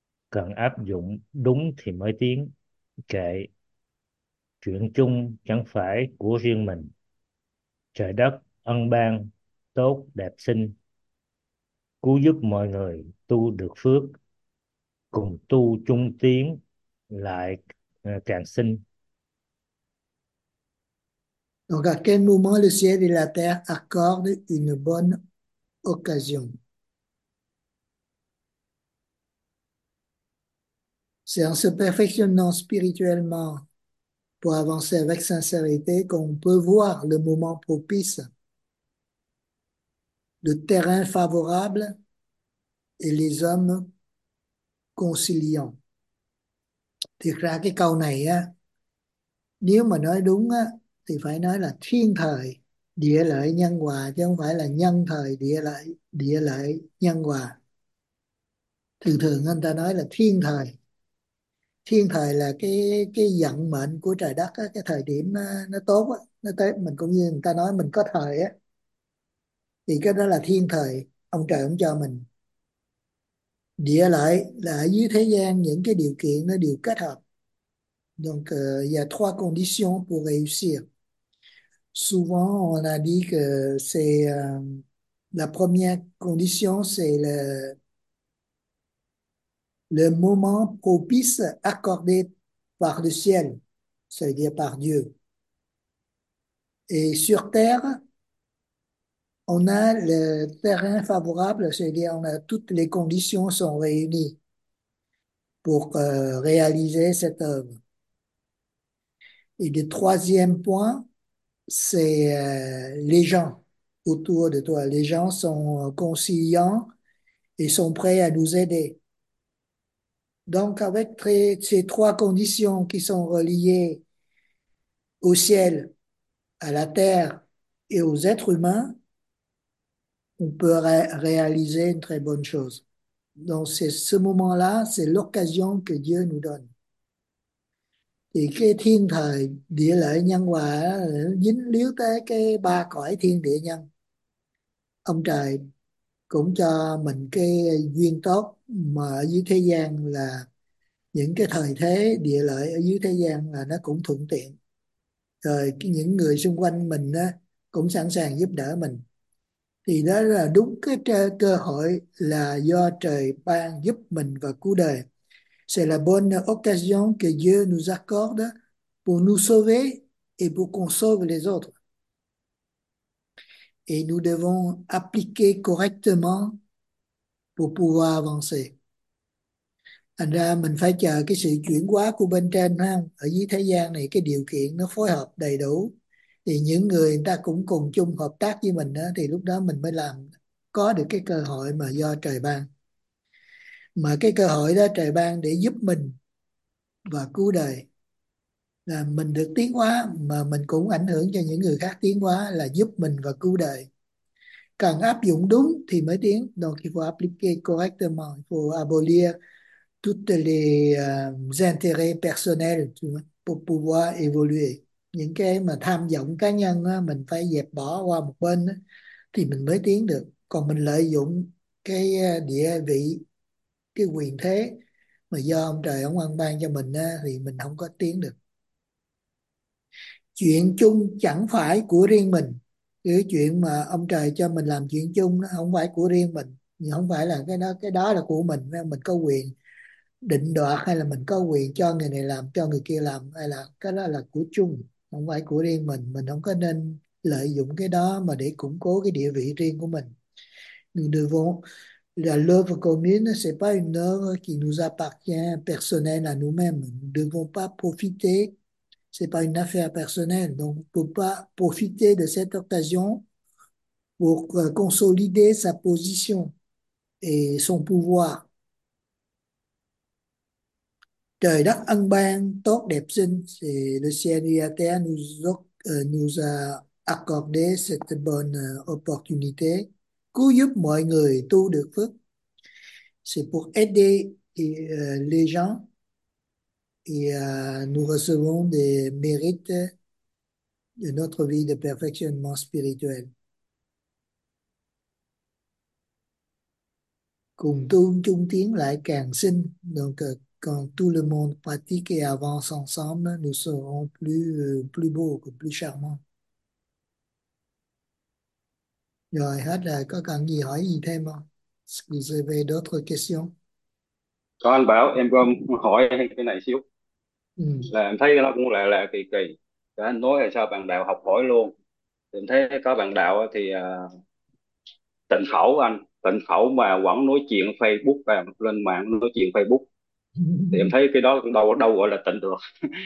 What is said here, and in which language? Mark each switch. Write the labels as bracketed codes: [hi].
[vi] Cần áp dụng đúng thì mới tiến. Kệ: Chuyện chung chẳng phải của riêng mình. Trời đất ân ban tốt đẹp sinh, cứu giúp mọi người tu được phước, cùng tu chung tiến lại càng sinh. [fr] Donc, à quel moment le ciel et la terre accordent une bonne occasion? C'est en se perfectionnant spirituellement pour avancer avec sincérité qu'on peut voir le moment propice, le terrain favorable et les hommes conciliants. [vi] Thực ra cái câu này á, nếu mà nói đúng á, thì phải nói là thiên thời địa lợi nhân hòa, chứ không phải là nhân thời địa lợi nhân hòa. Thường thường người ta nói là thiên thời. Thiên thời là cái vận mệnh của trời đất á, cái thời điểm nó tốt á, nó tới mình, cũng như người ta nói mình có thời á, thì cái đó là thiên thời ông trời ông cho mình. Địa lợi là ở dưới thế gian những cái điều kiện nó đều kết hợp. [fr] Donc, il y a trois conditions pour réussir. Souvent, on a dit que c'est la première condition, c'est le moment propice accordé par le ciel, c'est-à-dire par Dieu. Et sur Terre, on a le terrain favorable, c'est-à-dire on a toutes les conditions sont réunies pour réaliser cette œuvre. Et le troisième point, c'est les gens autour de toi. Les gens sont conciliants et sont prêts à nous aider. Donc, avec ces trois conditions qui sont reliées au ciel, à la terre et aux êtres humains, on peut réaliser une très bonne chose. Donc, c'est ce moment-là, c'est l'occasion que Dieu nous donne. [vi] Thì cái thiên thời địa lợi nhân hòa dính líu tới cái ba cõi thiên địa nhân. Ông trời cũng cho mình cái duyên tốt mà ở dưới thế gian là những cái thời thế địa lợi ở dưới thế gian là nó cũng thuận tiện, rồi những người xung quanh mình cũng sẵn sàng giúp đỡ mình, thì đó là đúng cái cơ hội là do trời ban giúp mình và cứu đời. [fr] C'est la bonne occasion que Dieu nous accorde pour nous sauver et pour qu'on sauve les autres. Et nous devons appliquer correctement pour pouvoir avancer. [vi] Thành ra mình phải chờ cái sự chuyển hóa của bên trên ha. Ở dưới thế gian này cái điều kiện nó phối hợp đầy đủ, thì những người ta cũng cùng chung hợp tác với mình đó, thì lúc đó mình mới làm có được cái cơ hội mà do trời ban. Mà cái cơ hội đó trời ban để giúp mình và cứu đời, là mình được tiến hóa mà mình cũng ảnh hưởng cho những người khác tiến hóa, là giúp mình và cứu đời. Cần áp dụng đúng thì mới tiến. [fr] Donc il faut appliquer correctement, il faut abolir toutes les intérêts personnels pour pouvoir évoluer. [vi] Những cái mà tham vọng cá nhân á, mình phải dẹp bỏ qua một bên á, thì mình mới tiến được. Còn mình lợi dụng cái địa vị, cái quyền thế mà do ông trời ông ban cho mình á, thì mình không có tiến được. Chuyện chung chẳng phải của riêng mình. Cái chuyện mà ông trời cho mình làm chuyện chung nó không phải của riêng mình, nhưng không phải là cái đó là của mình, mình có quyền định đoạt hay là mình có quyền cho người này làm, cho người kia làm, hay là cái đó là của chung, không phải của riêng mình không có nên lợi dụng cái đó mà để củng cố cái địa vị riêng của mình. [fr] Nous devons la l'œuvre commune, c'est pas une œuvre qui nous appartient personnelle à nous-mêmes. Nous ne devons pas profiter, c'est pas une affaire personnelle. Donc, on ne peut pas profiter de cette occasion pour consolider sa position et son pouvoir. [vi] Trời đất ân ban tốt đẹp xinh, thì [fr] le ciel et la terre nous a accordé cette bonne opportunité, [vi] cứu giúp mọi người tu được phước. [fr] C'est pour aider les gens et nous recevons des mérites de notre vie de perfectionnement spirituel. [vi] Cùng tu chung tiến lại càng xinh, [fr] donc quand tout le monde pratique et avance ensemble, nous serons plus beaux, plus charmants. [vi] Rồi, hết rồi. Có cần gì hỏi gì thêm không? [fr] Vous avez d'autres questions? [vi] Có anh bảo em có hỏi cái này xíu là em thấy nó cũng là kỳ kỳ. Cả anh nói là sao bạn đạo học hỏi luôn, thì em thấy có bạn đạo thì tịnh khẩu, anh tịnh khẩu mà vẫn nói chuyện Facebook, và lên mạng nói chuyện Facebook, thì em thấy cái đó cũng đâu đâu gọi là tịnh được.